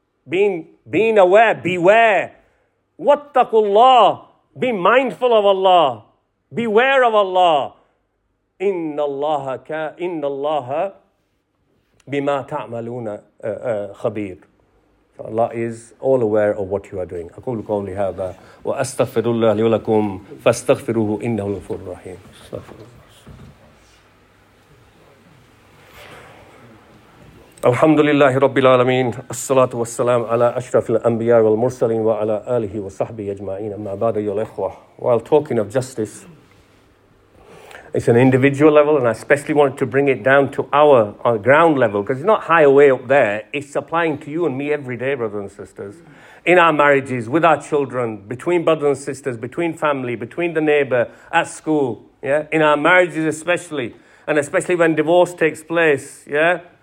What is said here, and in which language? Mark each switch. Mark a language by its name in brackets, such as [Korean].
[English] Being aware. Beware. [Arabic] وَاتَّقُوا اللَّهُ. [English] Be mindful of Allah. Beware of Allah. [Arabic] إِنَّ اللَّهَ بِمَا تَعْمَلُونَ خَبِيرٌ. [English] So Allah is all aware of what you are doing. [Arabic] أقول قولي هذا وأستغفر الله لي ولكم فاستغفروه إنه الغفور الرحيم. الحمد لله رب العالمين الصلاة والسلام على أشرف الأنبياء والمرسلين وعلى آله وصحبه أجمعين أما بعد أيها الإخوة. [English] While talking of justice, it's an individual level, and I especially wanted to bring it down to our ground level, because it's not high away up there. It's applying to you and me every day, brothers and sisters, in our marriages, with our children, between brothers and sisters, between family, between the neighbor, at school, yeah, in our marriages especially, and especially when divorce takes place, yeah.